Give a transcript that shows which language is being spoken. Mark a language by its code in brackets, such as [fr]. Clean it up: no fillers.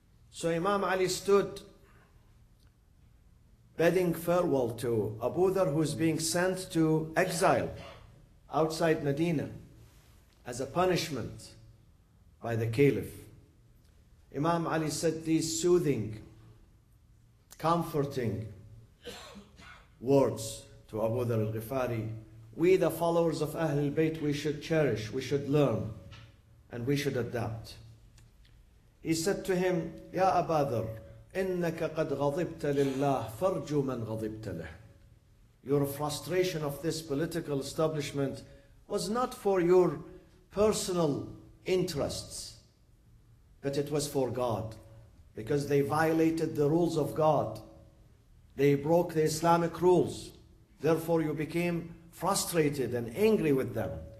[en] So Imam Ali stood bidding farewell to Abu Dharr, who is being sent to exile outside Medina as a punishment by the caliph. Imam Ali said these soothing, comforting words to Abu Dharr al-Ghifari, we the followers of Ahlul Bayt, we should cherish, we should learn, and we should adapt. He said to him, [ar] Ya Abu Dharr, إِنَّكَ قَدْ غَضِبْتَ لِلَّهِ فَرْجُوا مَنْ غَضِبْتَ لِهِ. [en] Your frustration of this political establishment was not for your personal interests, but it was for God, because they violated the rules of God. They broke the Islamic rules. Therefore, you became frustrated and angry with them.